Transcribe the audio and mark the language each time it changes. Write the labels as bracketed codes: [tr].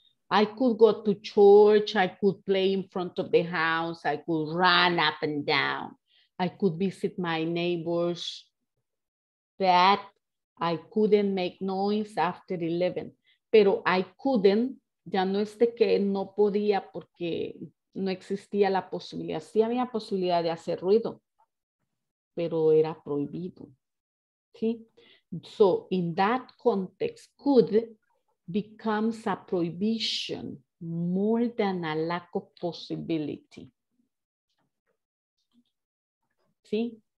[en] I could go to church, I could play in front of the house, I could run up and down, I could visit my neighbors, that I couldn't make noise after 11. [es] Pero [en] I couldn't, [es] ya no es de que no podía porque no existía la posibilidad. Sí había posibilidad de hacer ruido, pero era prohibido. ¿Sí? [en] So in that context, could becomes a prohibition more than a lack of possibility. [es] ¿Sí?